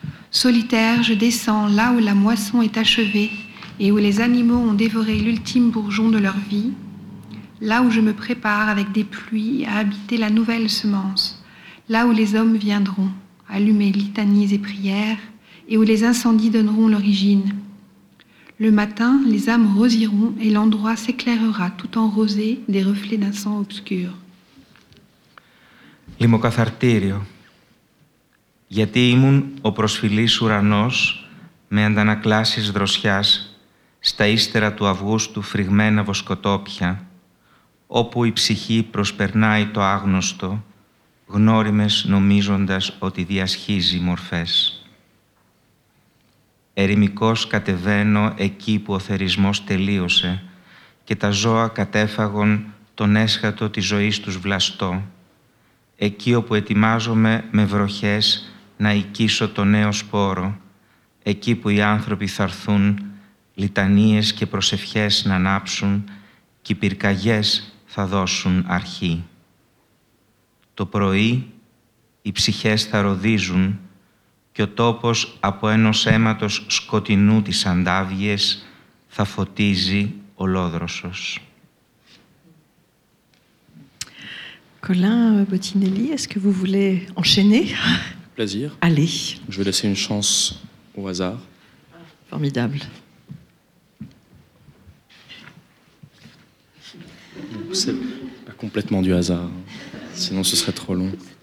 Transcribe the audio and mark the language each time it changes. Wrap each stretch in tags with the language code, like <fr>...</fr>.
<fr>Solitaire, je descends là où la moisson est achevée et où les animaux ont dévoré l'ultime bourgeon de leur vie, là où je me prépare avec des pluies à habiter la nouvelle semence, là où les hommes viendront allumer litanies et prières et où les incendies donneront l'origine. Le matin, les âmes rosiront et l'endroit s'éclairera tout en rosé des reflets d'un sang obscur.</fr> <el>Λιμοκαθαρτήριο. Γιατί ήμουν ο προσφυλής ουρανός με αντανακλάσεις δροσιάς στα ύστερα του Αυγούστου φρυγμένα βοσκοτόπια, όπου η ψυχή προσπερνάει το άγνωστο, γνώριμες νομίζοντας ότι διασχίζει μορφές. Ερημικός κατεβαίνω εκεί που ο θερισμός τελείωσε και τα ζώα κατέφαγον τον έσχατο της ζωής τους βλαστό, εκεί όπου ετοιμάζομαι με βροχές να οικήσω το νέο σπόρο, εκεί που οι άνθρωποι θα έρθουν, λιτανίες και προσευχές να ανάψουν και οι πυρκαγιές θα δώσουν αρχή. Το πρωί οι ψυχές θα ροδίζουν και ο τόπος από ένος αίματος σκοτεινού τις αντάβγειες θα φωτίζει ολόδροσος.</el> <fr>Colin Bottinelli, est-ce que vous voulez enchaîner? Plaisir. Allez. Je vais laisser une chance au hasard. Formidable. C'est pas complètement du hasard, sinon ce serait trop long.</fr>